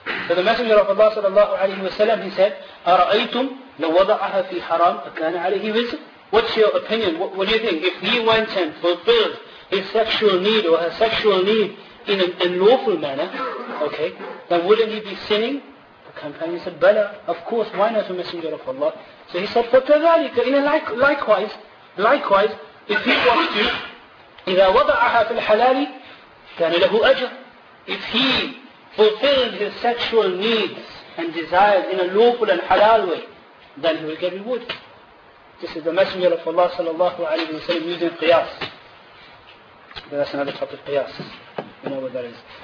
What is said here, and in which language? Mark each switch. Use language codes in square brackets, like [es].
[en] So the Messenger of Allah sallallahu alayhi wa sallam, he said, [ar] أَرَأَيْتُمْ لَوْ وَضَعَهَا فِي حَرَامٍ أَكَانَ عَلَيْهِ وِزْرٍ. [en] What's your opinion? What do you think? If he went and fulfilled his sexual need or her sexual need in an unlawful manner, okay, then wouldn't he be sinning? Companion said, Bala, of course, why not a Messenger of Allah? So he said, [ar] فَكَذَلِكَ إِنَا [en] likewise, if he wants to, [ar] إِذَا وَضَعَهَا فِي الْحَلَالِ كَانَ لَهُ أَجْرٍ. [en] If he fulfilled his sexual needs and desires in a lawful and halal way, then he will get reward. This is the Messenger of Allah sallallahu alayhi wa sallam using qiyas. But that's another topic, qiyas. You know what that is.